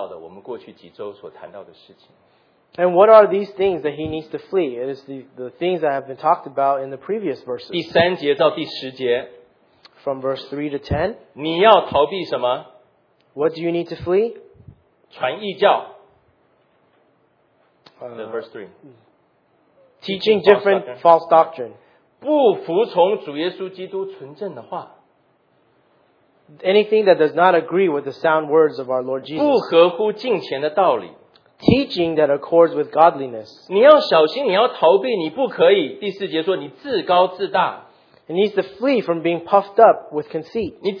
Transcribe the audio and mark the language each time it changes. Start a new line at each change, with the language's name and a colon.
Chinese: 这些事是哪些事？就是在第六章之前所提到的，我们过去几周所谈到的事情。
English: And what are these things that he needs to flee? It is the things that have been talked about in the previous verses.
Chinese: 第三节到第十节。
English: From verse 3 to 10.
Chinese: 你要逃避什么？
English: What do you need to flee?
Chinese: 传异教。
English: Verse 3. Teaching different false doctrine.
Chinese: 不服从主耶稣基督纯正的话。
English: Anything that does not agree with the sound words of our Lord Jesus.
Chinese: 不合乎敬虔的道理,
English: teaching that accords with godliness.
Chinese: 你要小心，你要逃避，你不可以。第四节说你自高自大,
English: it needs to flee from being puffed up with conceit.